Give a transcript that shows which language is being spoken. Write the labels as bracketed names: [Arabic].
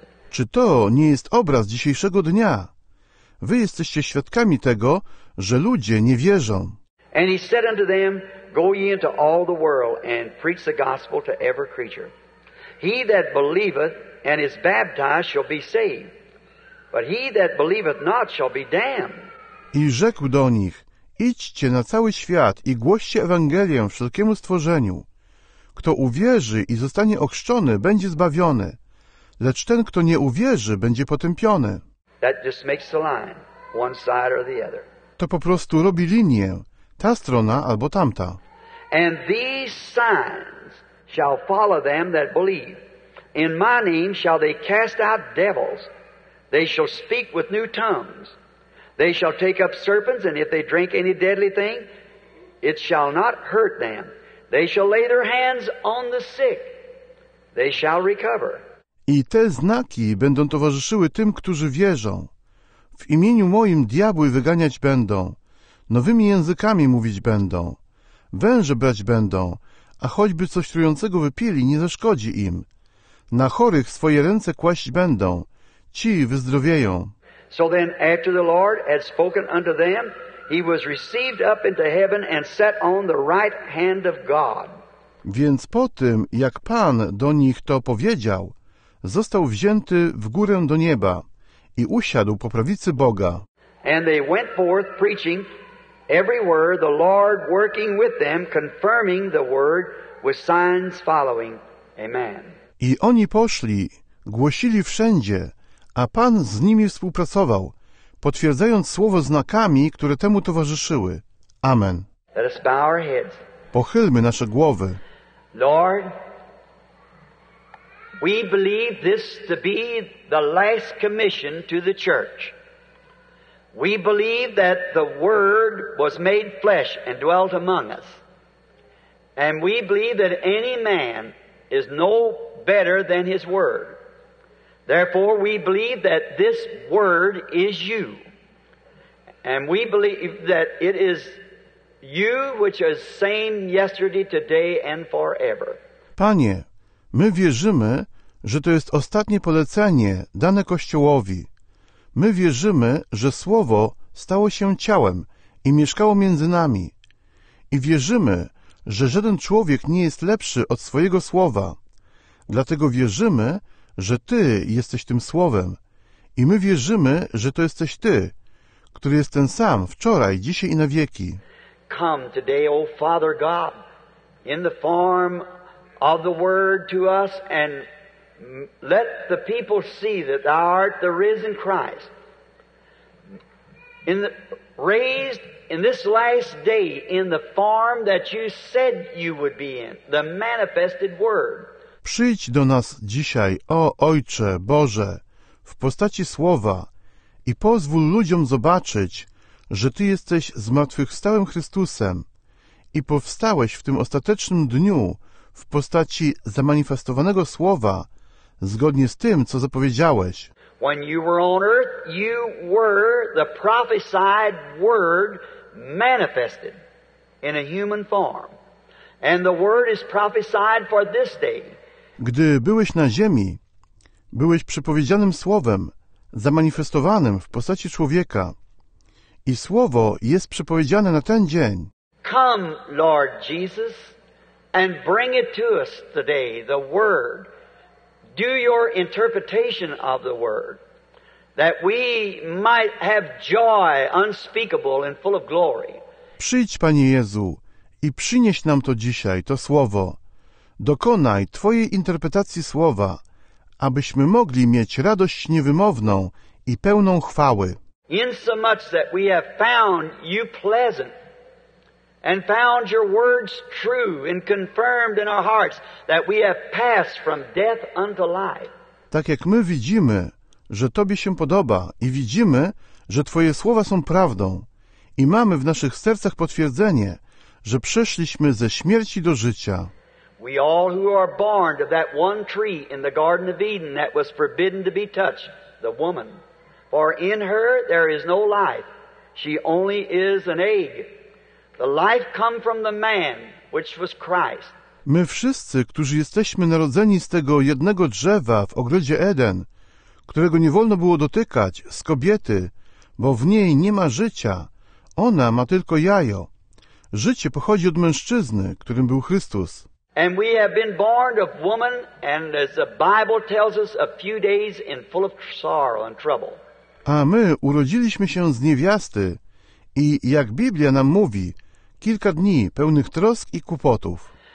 [Polish] Czy to nie jest obraz dzisiejszego dnia? Wy jesteście świadkami tego, że ludzie nie wierzą. [English] And he said unto them, go ye into all the world and preach the gospel to every creature. He that believeth and is baptized shall be saved. But he that believeth not shall be damned. [Polish] I rzekł do nich, idźcie na cały świat i głoście Ewangelię wszelkiemu stworzeniu. Kto uwierzy i zostanie ochrzczony, będzie zbawiony. Lecz ten, kto nie uwierzy, będzie potępiony. [English] That just makes the line, one side or the other. [Polish] To po prostu robi linię, ta strona albo tamta. [English] And these signs shall follow them that believe. In my name shall they cast out devils. They shall speak with new tongues. They shall take up serpents, and if they drink any deadly thing, it shall not hurt them. They shall lay their hands on the sick. They shall recover. [Polish] I te znaki będą towarzyszyły tym, którzy wierzą. W imieniu moim diabły wyganiać będą, nowymi językami mówić będą, węże brać będą, a choćby coś trującego wypili, nie zaszkodzi im. Na chorych swoje ręce kłaść będą, ci wyzdrowieją. [English] So then after the Lord had spoken unto them, he was received up into heaven and sat on the right hand of God. [Polish] Więc po tym, jak Pan do nich to powiedział, został wzięty w górę do nieba i usiadł po prawicy Boga. [English] And they went forth preaching everywhere, the Lord working with them, confirming the word with signs following. Amen. [Polish] I oni poszli, głosili wszędzie, a Pan z nimi współpracował, potwierdzając słowo znakami, które temu towarzyszyły. Amen. [English] Let us bow our heads. [Polish] Pochylmy nasze głowy. [English] Lord, we believe this to be the last commission to the church. We believe that the Word was made flesh and dwelt among us. And we believe that any man is no better than his Word. Therefore, we believe that this Word is you. And we believe that it is you which is same yesterday, today, and forever. [Polish] Panie, my wierzymy, że to jest ostatnie polecenie dane Kościołowi. My wierzymy, że Słowo stało się ciałem i mieszkało między nami. I wierzymy, że żaden człowiek nie jest lepszy od swojego Słowa. Dlatego wierzymy, że Ty jesteś tym Słowem. I my wierzymy, że to jesteś Ty, który jest ten sam wczoraj, dzisiaj i na wieki. [English] Come today, O Father God, in the form of the Word to us, and let the people see that Thou art the risen Christ, in the, raised in this last day in the form that You said You would be in, the manifested Word. [Polish] Przyjdź do nas dzisiaj, o Ojcze Boże, w postaci Słowa i pozwól ludziom zobaczyć, że Ty jesteś zmartwychwstałym Chrystusem i powstałeś w tym ostatecznym dniu w postaci zamanifestowanego Słowa, zgodnie z tym, co zapowiedziałeś. [English] When you were on earth, you were the prophesied Word manifested in a human form. And the Word is prophesied for this day. [Polish] Gdy byłeś na ziemi, byłeś przepowiedzianym Słowem, zamanifestowanym w postaci człowieka. I Słowo jest przepowiedziane na ten dzień. [English] Come, Lord Jesus, and bring it to us today, the Word. Do Your interpretation of the Word, that we might have joy unspeakable and full of glory. [Polish] Przyjdź, Panie Jezu, i przynieś nam to dzisiaj, to Słowo. Dokonaj Twojej interpretacji Słowa, abyśmy mogli mieć radość niewymowną i pełną chwały. [English] Insomuch that we have found You pleasant and found Your words true and confirmed in our hearts that we have passed from death unto life. [Polish] Tak jak my widzimy, że Tobie się podoba i widzimy, że Twoje słowa są prawdą i mamy w naszych sercach potwierdzenie, że przeszliśmy ze śmierci do życia. [English] We all who are born of that one tree in the Garden of Eden that was forbidden to be touched, the woman. For in her there is no life. She only is an egg. The life come from the man, which was Christ. [Polish] My wszyscy, którzy jesteśmy narodzeni z tego jednego drzewa w ogrodzie Eden, którego nie wolno było dotykać, z kobiety, bo w niej nie ma życia. Ona ma tylko jajo. Życie pochodzi od mężczyzny, którym był Chrystus. [English] And we have been born of woman, and as the Bible tells us, a few days in full of sorrow and trouble. [Polish] A my urodziliśmy się z niewiasty i, jak Biblia nam mówi, kilka dni pełnych trosk i kłopotów.